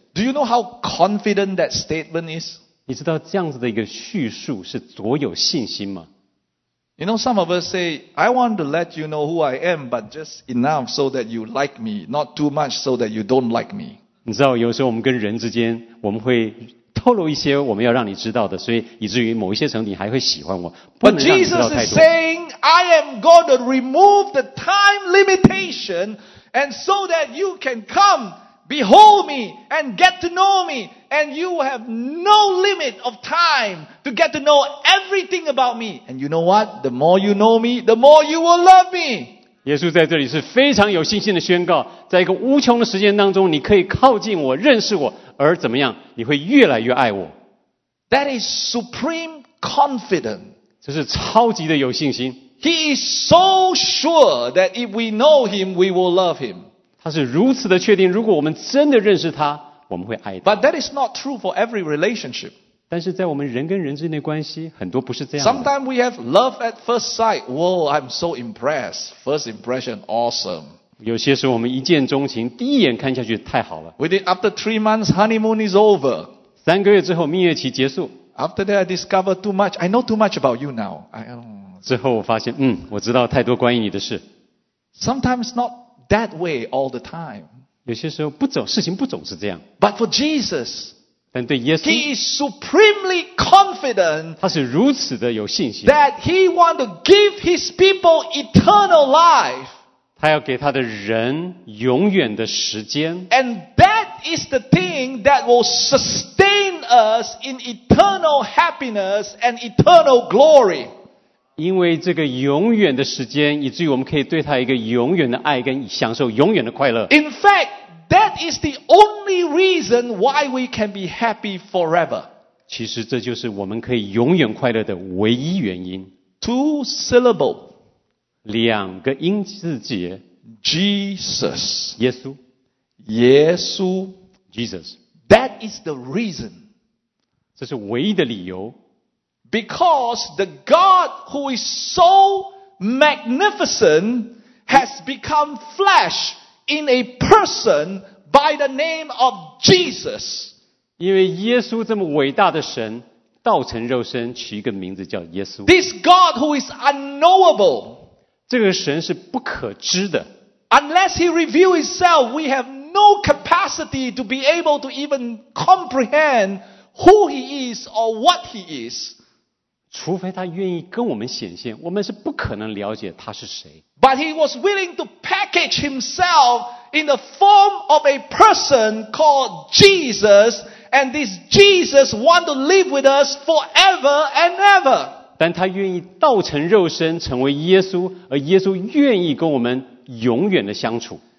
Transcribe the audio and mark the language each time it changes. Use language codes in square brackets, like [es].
[en] Do you know how confident that statement is? [zh] 你知道这样子的一个叙述是多有信心吗？ [en] You know, some of us say, I want to let you know who I am, but just enough so that you like me, not too much so that you don't like me. [zh] 你知道有时候我们跟人之间，我们会透露一些我们要让你知道的，所以以至于某一些程度你还会喜欢我，不能让你知道太多。 [en] But Jesus is saying, I am going to remove the time limitation, and so that you can come, behold me, and get to know me, and you have no limit of time to get to know everything about me. And you know what? The more you know me, the more you will love me. [zh] 耶稣在这里是非常有信心的宣告，在一个无穷的时间当中，你可以靠近我，认识我。而怎么样，你会越来越爱我。 [en] That is supreme confidence. [zh] 这是超级的有信心。 [en] He is so sure that if we know him, we will love him. [zh] 他是如此的确定，如果我们真的认识他，我们会爱他。 [en] But that is not true for every relationship. [zh] 但是在我们人跟人之间的关系，很多不是这样的。 [en] Sometimes we have love at first sight. Whoa, I'm so impressed. First impression, awesome. [zh] 有些时候我们一见钟情，第一眼看下去太好了。 [en] Within after 3 months, honeymoon is over. [zh] 三个月之后蜜月期结束。 [en] After that, I discover too much. I know too much about you now. [zh] 之后我发现，我知道太多关于你的事。 [en] Sometimes not that way all the time. [zh] 有些时候不走，事情不总是这样。 [en] But for Jesus, [zh] 但对耶稣 [en] he is supremely confident. [zh] 他是如此的有信心。 [en] That he want to give his people eternal life. [zh] 他要给他的人永远的时间。 [en] And that is the thing that will sustain us in eternal happiness and eternal glory. [zh] 因为这个永远的时间，以至于我们可以对他一个永远的爱，跟享受永远的快乐。 [en] In fact, that is the only reason why we can be happy forever. [zh] 其实这就是我们可以永远快乐的唯一原因。 [en] Two syllable. [zh] 两个音字节 [en] Jesus [zh] 耶稣耶稣 [en] Jesus That is the reason [zh] 这是唯一的理由 [en] Because the God who is so magnificent has become flesh in a person by the name of Jesus [zh] 因为耶稣这么伟大的神道成肉身取一个名字叫耶稣 [en] This God who is unknowable [zh] 这个神是不可知的。 [en] Unless he reveals himself, we have no capacity to be able to even comprehend who he is or what he is. [zh] 除非他愿意跟我们显现，我们是不可能了解他是谁。 [en] But he was willing to package himself in the form of a person called Jesus, and this Jesus wants to live with us forever and ever. [zh] 但他愿意道成肉身成为耶稣而耶稣愿意跟我们永远的相处